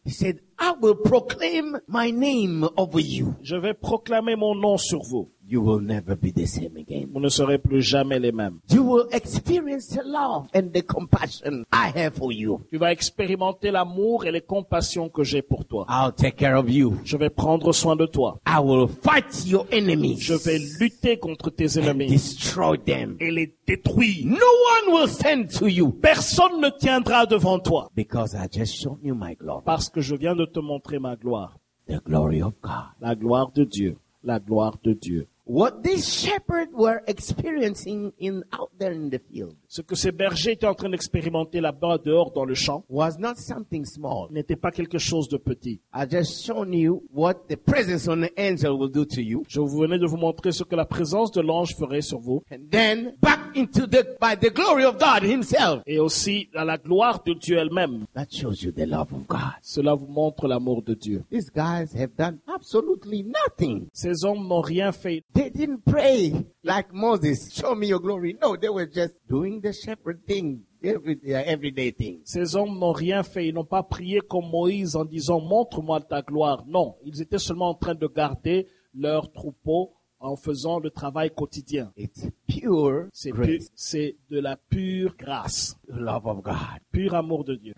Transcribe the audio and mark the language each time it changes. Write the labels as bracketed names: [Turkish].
[English] He said, I will proclaim my name over you. [French] Je vais proclamer mon nom sur vous. [English] You will never be the same again. [French] Vous ne serez plus jamais les mêmes. [English] You will experience the love and the compassion I have for you. [French] Tu vas expérimenter l'amour et les compassions que j'ai pour toi. [English] I'll take care of you. [French] Je vais prendre soin de toi. [English] I will fight your enemies. [French] Je vais lutter contre tes ennemis. [English] And destroy them. [French] Et les détruire. [English] No one will stand to you. [French] Personne ne tiendra devant toi. [English] Because I just showed you my glory. [French] Parce que je viens de te montrer ma gloire. [English] The glory of God. [French] La gloire de Dieu. La gloire de Dieu. [English] What these shepherds were experiencing in out there in the field. [French] Ce que ces bergers étaient en train d'expérimenter là-bas dehors dans le champ. [English] Was not something small. [French] N'était pas quelque chose de petit. [English] I just shown you what the presence of an angel will do to you. [French] Je venais de vous montrer ce que la présence de l'ange ferait sur vous. [English] And then back into the by the glory of God Himself. [French] Et aussi à la gloire de Dieu elle-même. [English] That shows you the love of God. [French] Cela vous montre l'amour de Dieu. [English] These guys have done absolutely nothing. [French] Ces hommes n'ont rien fait. [English] They didn't pray like Moses, show me your glory. No, they were just doing the shepherd thing, everyday thing. [French] Ces hommes n'ont rien fait. Ils n'ont pas prié comme Moïse en disant, montre-moi ta gloire. Non, ils étaient seulement en train de garder leur troupeau en faisant le travail quotidien. C'est de la pure grâce. [English] The love of God. [French] Pur amour de Dieu.